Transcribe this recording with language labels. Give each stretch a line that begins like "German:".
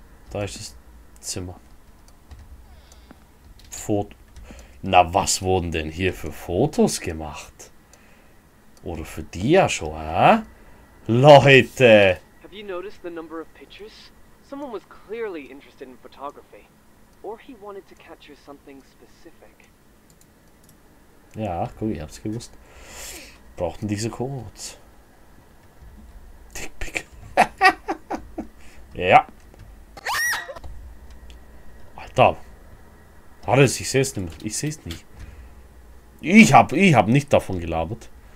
German: Da ist das Zimmer. Na, was wurden denn hier für Fotos gemacht? Oder für Dia schon, hä? Leute!
English: Have you noticed the number of pictures? Someone was clearly interested in photography. Or he wanted to capture something specific.
German: Ja, cool, ich hab's gewusst. Brauchten diese Codes. Dickpick. Ja. Alter. Alles, ich sehe es nicht mehr. Ich sehe es nicht. Ich hab nicht davon gelabert.